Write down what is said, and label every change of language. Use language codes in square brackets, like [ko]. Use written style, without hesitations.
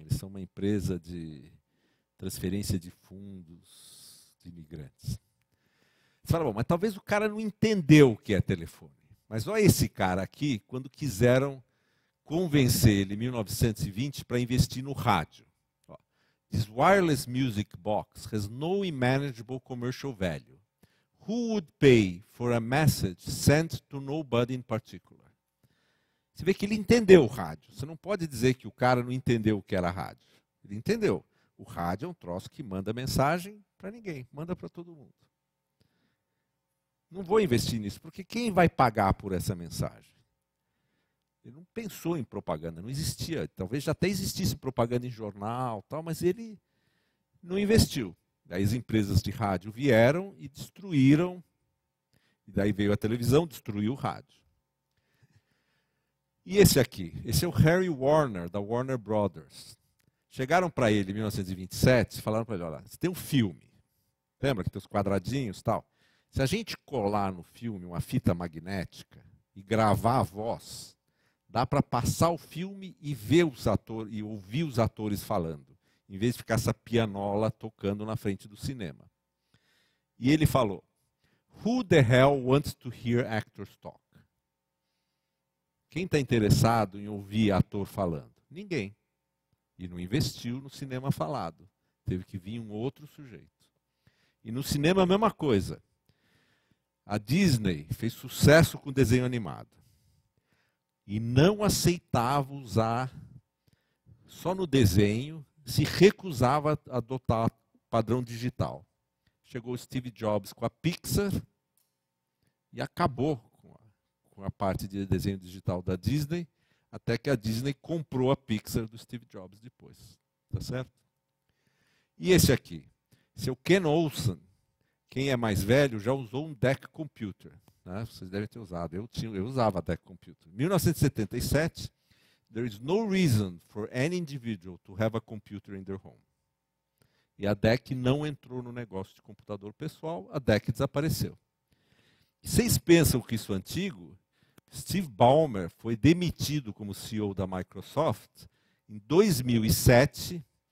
[pt] Eles são uma empresa de transferência de fundos de imigrantes. Você fala, bom, mas talvez o cara não entendeu o que é telefone. Mas olha esse cara aqui, quando quiseram convencer ele, em 1920, para investir no rádio. [en] This wireless music box has no manageable commercial value. Who would pay for a message sent to nobody in particular? [pt] Você vê que ele entendeu o rádio. Você não pode dizer que o cara não entendeu o que era rádio. Ele entendeu. O rádio é um troço que manda mensagem para ninguém, manda para todo mundo. Não vou investir nisso, porque quem vai pagar por essa mensagem? Ele não pensou em propaganda, não existia. Talvez já até existisse propaganda em jornal, tal, mas ele não investiu. Daí as empresas de rádio vieram e destruíram. E daí veio a televisão, destruiu o rádio. E esse aqui? Esse é o Harry Warner, da Warner Brothers. Chegaram para ele em 1927 e falaram para ele, olha, você tem um filme. Lembra que tem os quadradinhos e tal? Se a gente colar no filme uma fita magnética e gravar a voz, dá para passar o filme e ver os atores e ouvir os atores falando, em vez de ficar essa pianola tocando na frente do cinema. E ele falou, [en] who the hell wants to hear actors talk? [pt] Quem está interessado em ouvir ator falando? Ninguém. E não investiu no cinema falado. Teve que vir um outro sujeito. E no cinema a mesma coisa. A Disney fez sucesso com desenho animado. E não aceitava usar, só no desenho, se recusava a adotar padrão digital. Chegou o Steve Jobs com a Pixar e acabou com a parte de desenho digital da Disney, até que a Disney comprou a Pixar do Steve Jobs depois. Tá certo? E esse aqui? Esse é o Ken Olsen. Quem é mais velho já usou um deck computer. Né? Vocês devem ter usado. Eu usava deck computer. [en] 1977, there is no reason for any individual to have a computer in their home. [pt] E a deck não entrou no negócio de computador pessoal, a deck desapareceu. Vocês pensam que isso é antigo? Steve Ballmer foi demitido como CEO da Microsoft em 2007.